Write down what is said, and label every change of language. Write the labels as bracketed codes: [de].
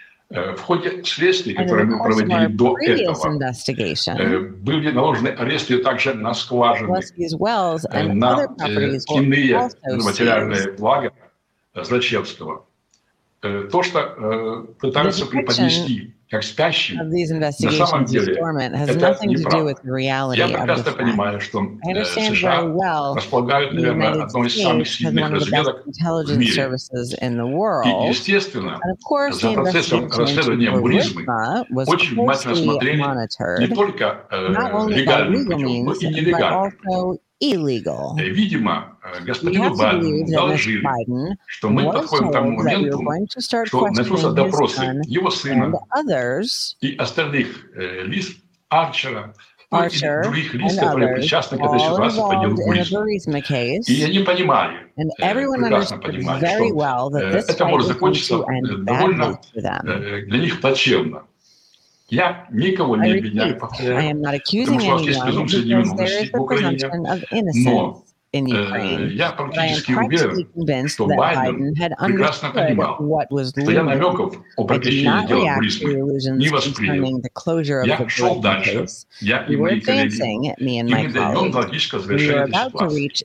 [ru] В ходе следствий, которые мы проводили до этого, были наложены аресты также на скважины, на иные материальные блага Грачевского. То, что пытаются преподнести как спящим, [en] of these investigations [ru] на самом деле, [en] has nothing to do with the reality of the fact. I understand very well that the United States has one of the best intelligence services in the world. And of course, the investigation into Burisma was closely monitored, not only by legal means, but also illegal. [ru] Господин Байден доложил, что мы подходим к тому моменту, что начнутся допросы его сына и остальных лиц Арчера и других лиц, которые причастны к этой ситуации по делу Бурисма. И они понимали, прекрасно понимали, что это может закончиться довольно для них плачевно. Я никого не обвиняю, повторяю, потому что у вас есть презумпция невиновности в Украине, [en] но in Ukraine, but I am practically convinced that Biden had understood what was looming. He did not react to the illusions concerning the closure of the Bridgman case. We were advancing, me and my colleagues. We were about to reach